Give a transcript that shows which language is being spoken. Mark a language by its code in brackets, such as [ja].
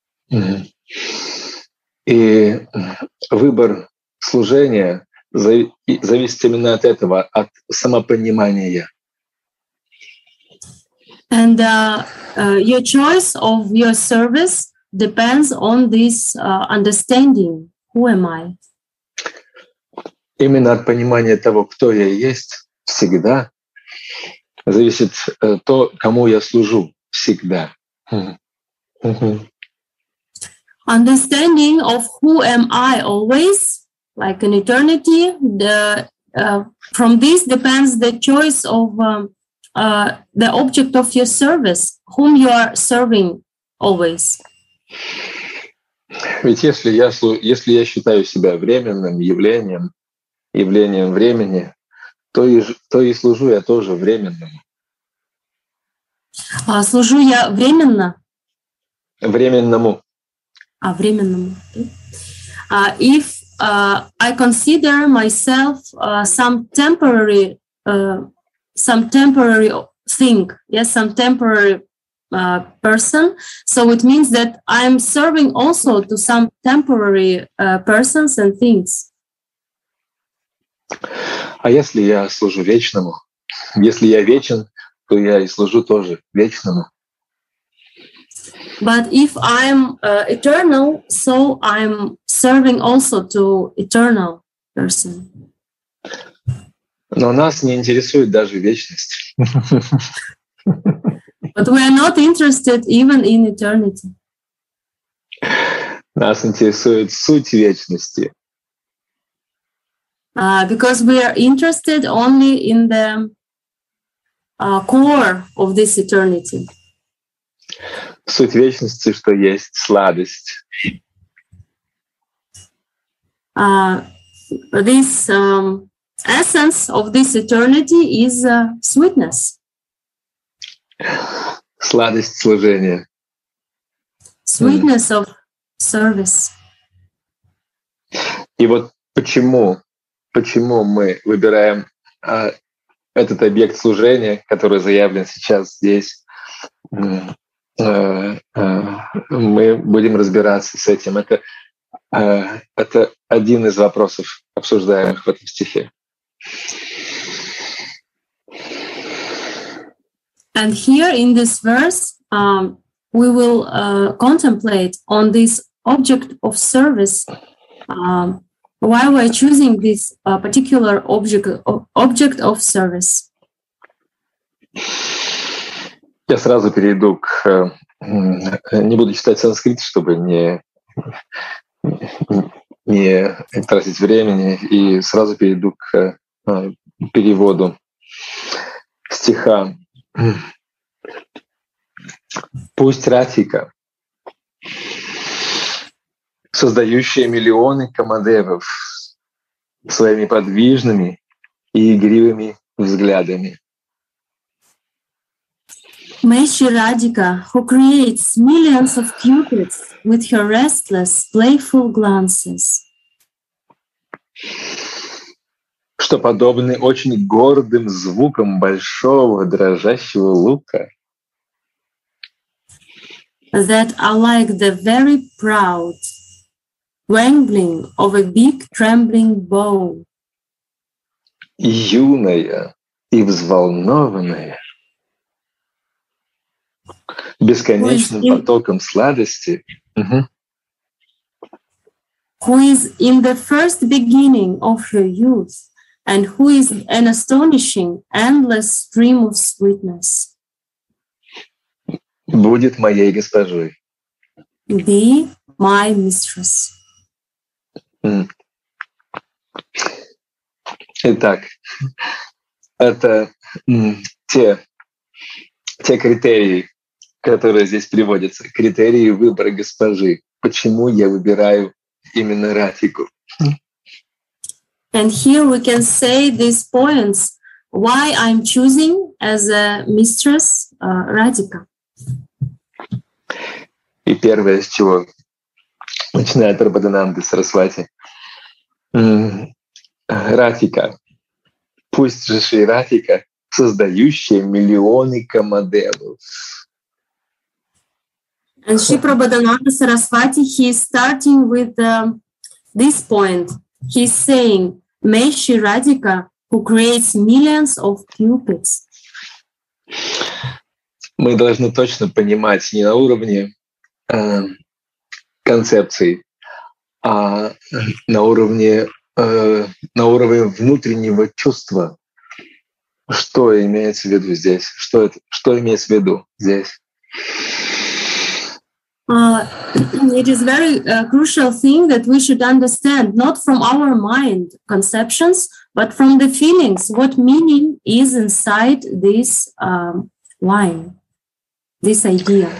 [ru] Mm-hmm. И выбор служения зависит именно от этого, от самопонимания. [en] And your choice of your service depends on this understanding. Who am I? [ru] Именно от понимания того, кто я есть, всегда, зависит то, кому я служу, всегда. [en] Understanding of who am I always, like in eternity, from this depends the choice of the object of your service, whom you are serving always. [ru] Ведь если я считаю себя временным явлением, явлением времени, то и служу я тоже временным. Служу я временно? Временному. Временному. [en] If I consider myself some temporary person, so it means that I'm serving also to some temporary persons and things. [ru] А если я служу вечному? Если я вечен, то я и служу тоже вечному. [en] But if I'm eternal, so I'm serving also to eternal person. [ru] Но нас не интересует даже вечность. [en] But we are not interested even in eternity. [ru] Нас интересует суть вечности. [en] Because we are interested only in the core of this eternity. [ru] Суть вечности, что есть сладость. [en] This essence of this eternity is sweetness. [ru] Сладость служения. [en] Sweetness of service. [ru] И вот почему мы выбираем этот объект служения, который заявлен сейчас здесь? Мы будем разбираться с этим. Это один из вопросов, обсуждаемых в этом стихе. [en] And here in this verse, we will contemplate on this object of service. Why we're choosing this particular object of service? [ru] Я сразу перейду к не буду читать санскрит, чтобы не тратить времени, и сразу перейду к переводу стиха. Пусть Ратика, создающая миллионы камадевов своими подвижными и игривыми взглядами. [en] May she Radhika, who creates millions of cupids with her restless, playful glances. [ru] Что подобны очень гордым звукам большого дрожащего лука. [en] That are like the very proud wrangling of a big trembling bow. [ru] Юная, и взволнованные бесконечным потоком сладости. [en] Who is in the first beginning of her youth, and who is an astonishing, endless stream of sweetness. [ru] Будет моей госпожой. [en] Be my mistress. [ru] Итак, это те критерии, которые здесь приводятся. Критерии выбора госпожи. Почему я выбираю именно Ратику? [en] And here we can say these points. Why I'm choosing as a mistress Ратика. [ru] И первое, с чего начинает Прабхадананда Сарасвати. Ратика. Пусть же Шри Ратика, создающая миллионы камаделов. [en] And Shri Prabhadananda Sarasvati, he is starting with this point. He's saying, may Shri Radhika, who creates millions of cupids. [ru] Мы должны точно понимать не на уровне концепции, а на уровне внутреннего чувства, что имеется в виду здесь, что имеется в виду здесь. [en] It is very crucial thing that we should understand not from our mind conceptions, but from the feelings. What meaning is inside this line, this idea?